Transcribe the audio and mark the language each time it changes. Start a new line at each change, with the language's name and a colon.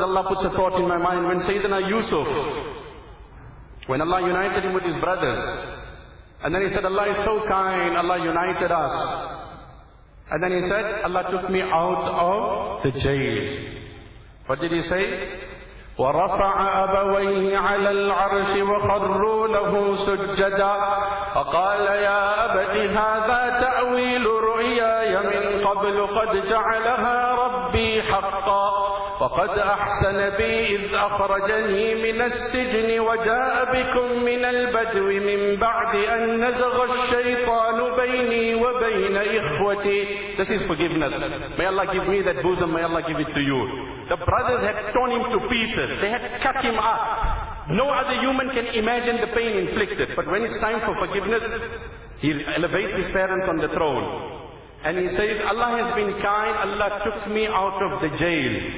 English: Allah puts a thought in my mind. When Sayyidina Yusuf, when Allah united him with his brothers, and then he said, Allah is so kind, Allah united us. And then he said, Allah took me out of the jail. What did he say?
Arabic: ورفع أبويه على العرش وقروا له سجدا فقال يا أبت هذا تأويل رؤياي من قبل قد جعلها ربي حقا فقد أحسن بي إذ أخرجني من السجن وجاء بكم من البدو من بعد أن نزغ الشيطان بيني وبين إخوتي.
English: This is forgiveness. May Allah give me that bosom. May Allah give it to you. The brothers had torn him to pieces. They had cut him up. No other human can imagine the pain inflicted. But when it's time for forgiveness, he elevates his parents on the throne. And he says, Allah has been kind. Allah took me out of the jail.